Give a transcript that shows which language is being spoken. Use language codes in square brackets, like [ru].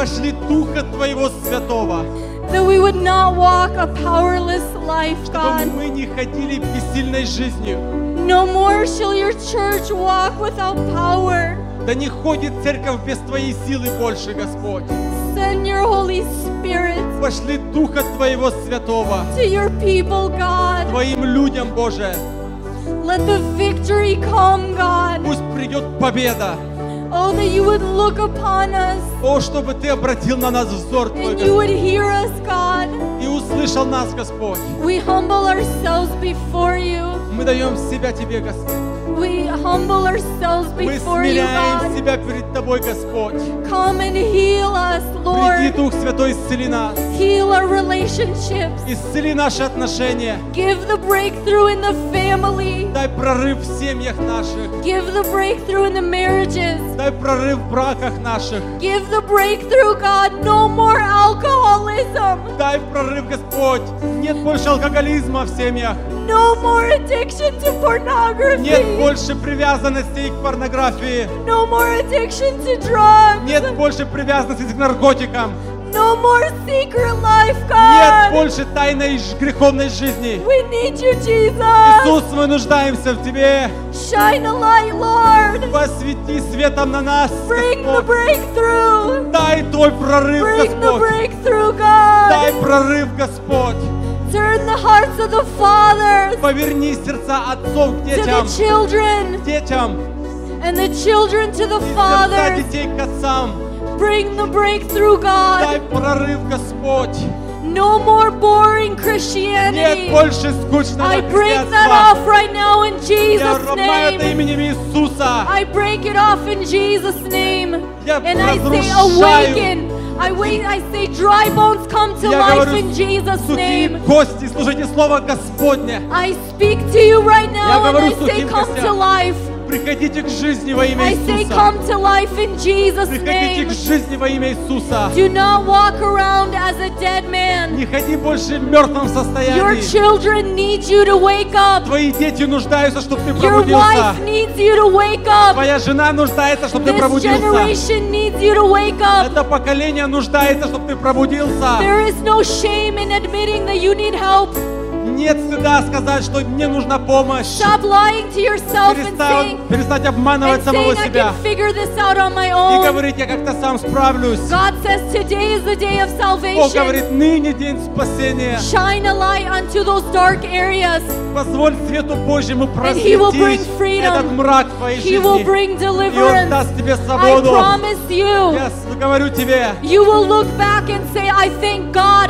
[ru] прошли духа Твоего святого. [en] That we would not walk a powerless life, God. [ru] Чтобы мы не ходили бессильной жизнью. [en] No more shall your church walk without power. [ru] Да не ходит церковь без Твоей силы больше, Господь. [en] Send your Holy Spirit. [ru] Пошли духа Твоего святого. [en] To your people, God. [ru] Твоим людям, Боже. [en] Let the victory come, God. [ru] Пусть придет победа. [en] Oh, that you would look upon us. [ru] О, чтобы Ты обратил на нас взор Твой, Господь. [en] And you would hear us, God. [ru] И услышал нас, Господь. [en] We humble ourselves before you. [ru] Мы даем себя Тебе, Господь. [en] We humble ourselves before you, God. [ru] Мы смиряем себя перед Тобой, Господь. [en] Come and heal us, Lord. [ru] Приди, Дух Святой, исцели нас. [en] Heal our relationships. [ru] Исцели наши отношения. [en] Give the breakthrough in the family. [ru] Дай прорыв в семьях наших. [en] Give the breakthrough in the marriages. [ru] Дай прорыв в браках наших. [en] Give the breakthrough, God. No more alcoholism. [ru] Дай прорыв, Господь. Нет больше алкоголизма в семьях. [en] No more addiction to pornography. [ru] Нет больше привязанности к порнографии. [en] No more addiction to drugs. [ru] Нет больше привязанности к наркотикам. [en] No more secret life, God. [ru] Нет больше тайной греховной жизни. [en] We need you, Jesus. [ru] Иисус, мы нуждаемся в Тебе. [en] Shine a light, Lord. [ru] Посвети светом на нас. [en] Bring the breakthrough. [ru] Дай Твой прорыв, Господь. [en] Bring the breakthrough, God. [ru] Дай прорыв, Господь. [en] Turn the hearts of the fathers. [ru] Поверни сердца отцов к детям. [en] To the children. [ru] К детям. [en] And the children to the fathers. [ru] И сердца детей к отцам. [en] Bring the breakthrough, God. [ru] Дай прорыв, Господь. [en] No more boring Christianity. [ru] Нет больше скучного [en] I break that off right now in Jesus' name. [ru] Я ломаю это именем Иисуса. [en] I break it off in Jesus' name. [ru] Я [en] and [ru] разрушаю. [en] I say awaken. I say dry bones come to life in Jesus' name. [ru] Кости, слушайте слово Господне. [en] I speak to you right now and I say come to life. [ru] Приходите к жизни во имя Иисуса. [en] I say come to life in Jesus' name. [ru] Приходите к жизни во имя Иисуса. [en] Do not walk around as a dead man. [ru] Не ходи больше в мертвом состоянии. [en] Your children need you to wake up. [ru] Твои дети нуждаются, чтобы ты пробудился. [en] Your wife needs you to wake up. [ru] Твоя жена нуждается, чтобы ты пробудился. [en] This generation needs you to wake up. [ru] Это поколение нуждается, чтобы ты пробудился. [en] There is no shame in admitting that you need help. [ru] Нет стыда сказать, что мне нужна помощь. [en] Stop lying to yourself and saying, [ru] перестать обманывать самого себя. [en] I can figure this out on my own. [ru] И говорить, я как-то сам справлюсь. [en] God says, today is the day of salvation. [ru] Бог говорит, ныне день спасения. [en] Shine a light unto those dark areas. [ru] Позволь свету Божьему просветить. [en] And He will bring freedom. [ru] Этот мрак в твоей жизни. [en] He will bring deliverance. [ru] И Он даст тебе свободу. [en] I promise you. [ru] Я говорю тебе. [en] You will look back and say, I thank God.